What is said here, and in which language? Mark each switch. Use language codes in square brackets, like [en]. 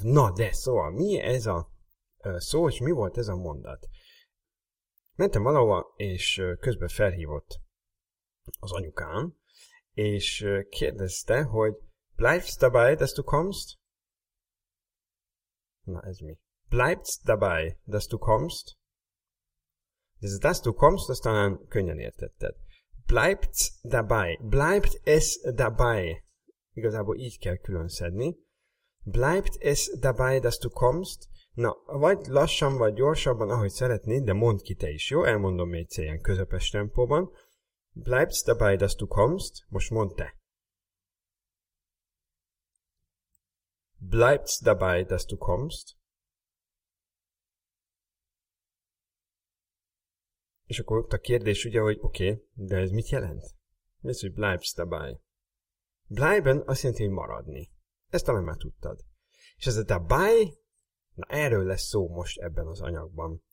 [hu] Na de, szóval mi ez a szó, és mi volt ez a mondat? Mentem valahova, és közben felhívott az anyukám, és kérdezte, hogy [de] bleibst dabei, dass du kommst? [hu] Na, ez mi? [de] Bleibst dabei, dass du kommst? [hu] Ez a [de] dass du kommst, [hu] azt talán könnyen értetted. [de] Bleibst dabei, bleibt es dabei. [hu] Igazából így kell külön szedni. [de] Bleibt es dabei, dass du kommst? [hu] Na, vagy lassan, vagy gyorsabban, ahogy szeretnéd, de mondd ki te is, jó? Elmondom még egyszer ilyen közepes tempóban. [de] Bleibst dabei, dass du kommst? [hu] Most mondd te. [de] Bleibst dabei, dass du kommst? [hu] És akkor ott a kérdés ugye, hogy oké, de ez mit jelent? Mi az, hogy [de] bleibst dabei? [hu] Bleiben azt jelenti, hogy maradni. Ezt talán már tudtad. És ez a dabei, na erről lesz szó most ebben az anyagban.